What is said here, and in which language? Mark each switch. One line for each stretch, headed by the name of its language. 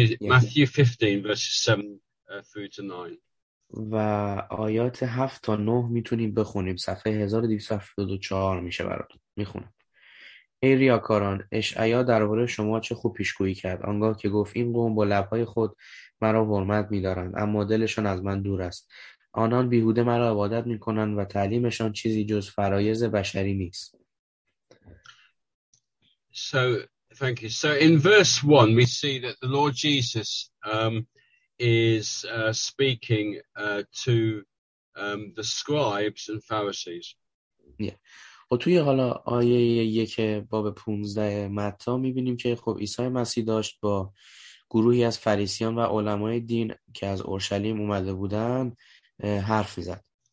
English: Matthew 15 verses 7 through to 9.
Persian: و آیات 7 تا 9 میتونیم بخونیم. صفحه 1274 میشه برات میخونم. ای ریاکاران، اشعیا درباره شما چه خوب پیشگویی کرد، آنگاه که گفت این قوم با لبهای خود مرا حرمت میدارند، اما دلشان از من دور است. آنان بیهوده مرا عبادت میکنند و تعلیمشان چیزی جز فرایض بشری نیست.
English: So thank you. So in verse 1 we see that the Lord Jesus is speaking to the scribes and Pharisees. Yeah.
Persian: و توی حالا آیه 1 باب 15 متا می‌بینیم که خب عیسی مسیح داشت با گروهی از فریسیان و علمای دین که از اورشلیم اومده بودن حرف می‌زد.